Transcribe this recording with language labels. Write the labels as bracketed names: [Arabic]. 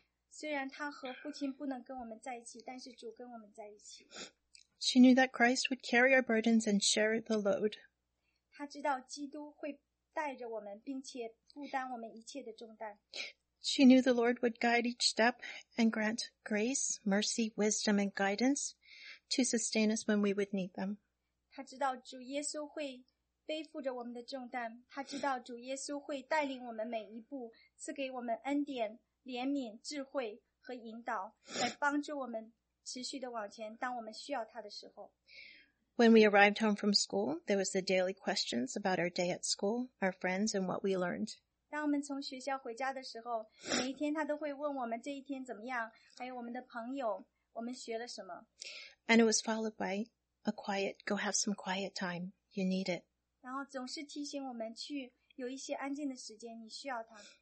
[Chinese] 虽然她和父亲不能跟我们在一起，但是主跟我们在一起。 [English] She knew that Christ would carry our burdens and share the load. [Chinese] 她知道基督会带着我们，并且负担我们一切的重担。 [English] She knew the Lord would guide each step and grant grace, mercy, wisdom, and guidance to sustain us when we would need them. [Chinese] 她知道主耶稣会背负着我们的重担，他知道主耶稣会带领我们每一步，赐给我们恩典、怜悯、智慧和引导，来帮助我们持续的往前。当我们需要他的时候 [English] ，When we arrived home from school, there was the daily questions about our day at school, our friends, and what we learned. [Chinese] 当我们从学校回家的时候，每一天他都会问我们这一天怎么样，还有我们的朋友，我们学了什么。 [English] And it was followed by a quiet, "Go have some quiet time. You need it." [Chinese] 然后总是提醒我们去有一些安静的时间，你需要它。